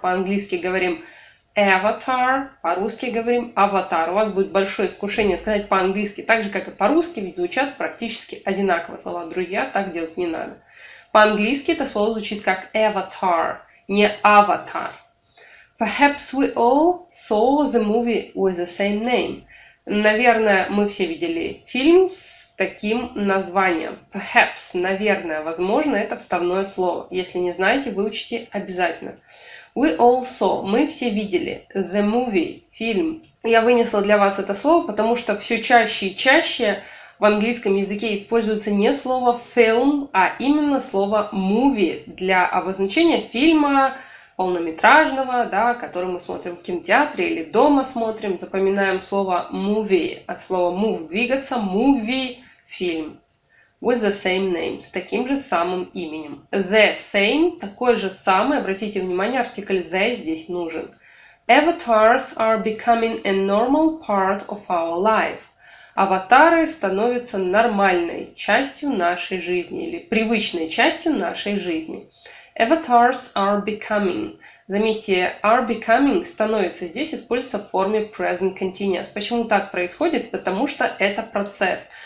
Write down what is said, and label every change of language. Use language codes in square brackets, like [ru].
[ru] По-английски говорим avatar, по-русски говорим аватар. У вас будет большое искушение сказать по-английски так же, как и по-русски, ведь звучат практически одинаково слова. Друзья, так делать не надо. По-английски это слово звучит как avatar, не аватар. [en] Perhaps we all saw the movie with the same name. [ru] Наверное, мы все видели фильм с таким названием. Perhaps, наверное, возможно, это вставное слово. Если не знаете, выучите обязательно. [en] We all saw, [ru] мы все видели, [en] the movie, [ru] фильм. Я вынесла для вас это слово, потому что все чаще и чаще в английском языке используется не слово film, а именно слово movie для обозначения фильма полнометражного, да, который мы смотрим в кинотеатре или дома смотрим. Запоминаем слово movie от слова move, двигаться, movie, фильм. [en] With the same name, [ru] с таким же самым именем. [en] The same, [ru] такой же самый, обратите внимание, артикль the здесь нужен. [en] Avatars are becoming a normal part of our life. [ru] Аватары становятся нормальной частью нашей жизни, или привычной частью нашей жизни. [en] Avatars are becoming. [ru] Заметьте, [en] are becoming [ru] становится здесь, используется в форме present continuous. Почему так происходит? Потому что это процесс.